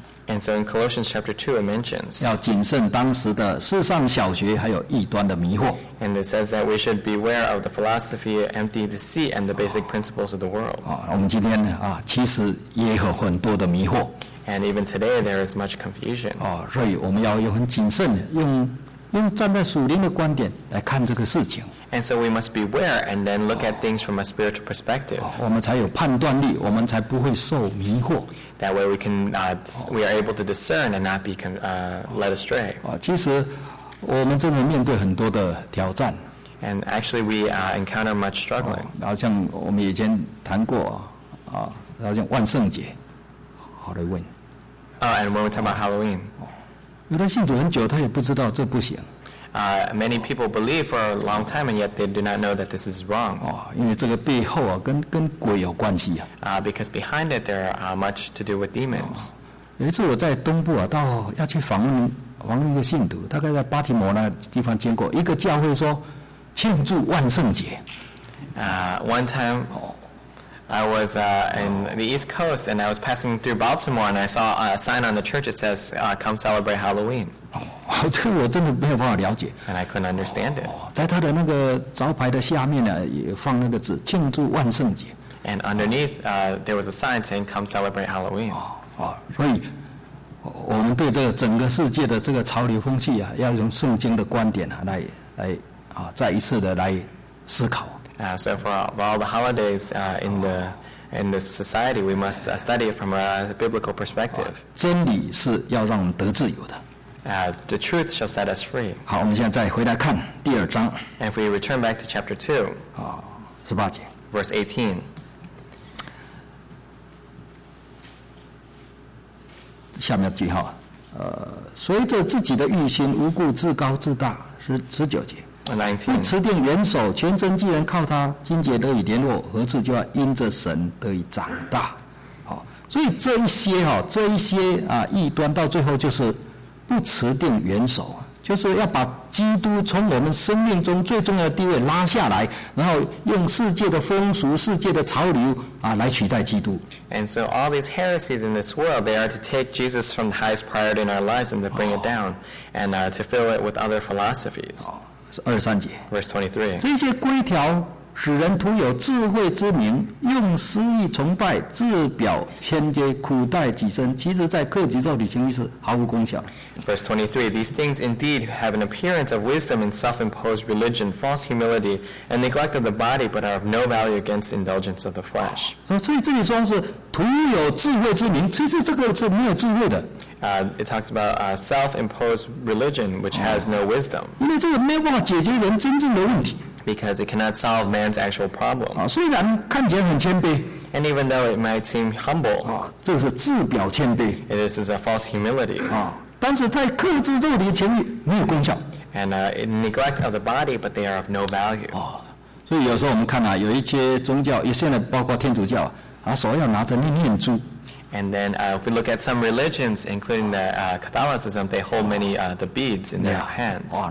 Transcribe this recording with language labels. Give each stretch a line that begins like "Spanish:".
English: And so in Colossians chapter 2 it mentions
Chinese: 要谨慎当时的世上小学还有异端的迷惑。
English: And it says that we should beware of the philosophy, empty deceit, and the basic principles of the world.
Chinese: 我们今天其实也有很多的迷惑。
English: And even today there is much confusion.
Chinese: 所以我们要用很谨慎用站在属灵的观点来看这个事情。
English: And so we must beware and then look at things from a spiritual perspective.
Chinese: 我们才有判断力，我们才不会受迷惑。
English: That way we are able to discern and not be led astray.
Chinese: 其实我们真的面对很多的挑战。
English: And actually we encounter much struggling.
Chinese: 好像我们以前谈过好像万圣节 Halloween.
English: And when we talk about Halloween.
Chinese: 有的信主很久他也不知道这不行。
English: Many people believe for a long time, and yet they do not know that this is wrong.
Chinese: 因为这个背后跟鬼有关系啊。
English: Because behind it, there are much to do with demons.
Chinese: 有一次我在东部到要去访问一个信徒，大概在巴提摩那地方经过，一个教会说，庆祝万圣节。
English: One time, I was in the East Coast, and I was passing through Baltimore, and I saw a sign on the church that says, "Come celebrate Halloween."
Chinese: 这个我真的没有办法了解。
English: And I couldn't understand it.
Chinese: 在他的那个招牌的下面呢，也放那个字，庆祝万圣节。
English: And underneath, there was a sign saying, "Come celebrate Halloween."
Chinese: 所以我们对这个整个世界的这个潮流风气啊，要用圣经的观点啊，来啊，再一次的来思考。
English: So for all the holidays in the society, we must study it from a biblical perspective.
Chinese: 真理是要让我们得自由的。
English: The truth shall set us free.
Chinese: 好，我们现在再回来看第二章。
English: And if we return back to chapter 2,
Chinese: 十八节
English: verse 18.
Chinese: 下面句号，随着自己的欲心无故自高自大，十九节，不持定元首，全真既然靠他金姐得以联络，何次就要因着神得以长大。所以这一些异端到最后就是不持定元首，就是要把基督从我们生命中最重要的地位拉下来，然后用世界的风俗、世界的潮流来取代基督。
English: And so all these heresies in this world, they are to take Jesus from the highest priority in our lives and to bring it down, and to fill it with other philosophies.
Chinese: 23节
English: Verse 23.
Chinese: 这些规条使人徒有智慧之名，用私欲崇拜，自表偏见，苦待己身，其实在克己肉体情欲是毫无功效。
English: Verse 23, these things indeed have an appearance of wisdom in self-imposed religion, false humility, and neglect of the body, but are of no value against indulgence of the flesh.
Chinese: 所以这里说是徒有智慧之名，其实这个是没有智慧的。
English: It talks about self-imposed religion, which has no wisdom.
Chinese: 因为这个没有办法解决人真正的问题。
English: Because it cannot solve man's actual problem.
Chinese: 虽然看起来很谦卑。
English: And even though it might seem humble.
Chinese: 这是自表谦卑。
English: It is a false humility.
Chinese: 但是在克制肉体的情欲没有功效。
English: And in neglect of the body, but they are of no value.
Chinese: 所以有时候我们看有一些宗教，现在包括天主教，所要拿着念珠。
English: And then if we look at some religions, including the Catholicism, they hold many the beads in their hands.